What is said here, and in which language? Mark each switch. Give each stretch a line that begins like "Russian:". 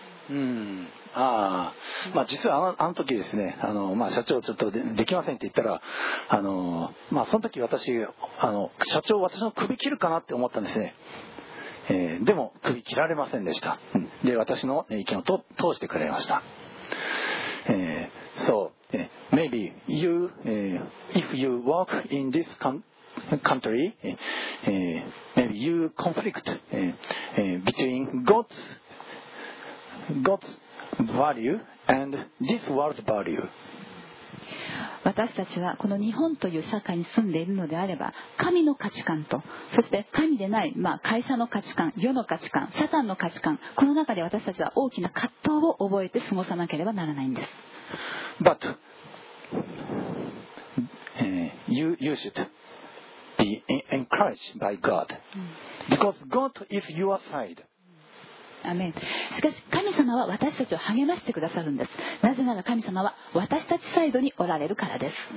Japanese: うん、あ、まあ、実はあの時ですね、まあ、社長ちょっと できませんって言ったら、まあ、その時私社長私の首切るかなって思ったんですね。でも首切られませんでした。で私の意見を通してくれました。
English: So maybe you, if you work in this country, maybe you conflict between God's value and this world's value.
Japanese: 私たちはこの日本という社会に住んでいるのであれば、神の価値観と、そして神でない、まあ、会社の価値観、世の価値観、サタンの価値観、この中で私たちは大きな葛藤を覚えて過ごさなければならないんです。
English: But you should be encouraged by God because God is your side.
Japanese: アメン。しかし神様は私たちを励ましてくださるんです。なぜなら神様は私たちサイドにおられるからです。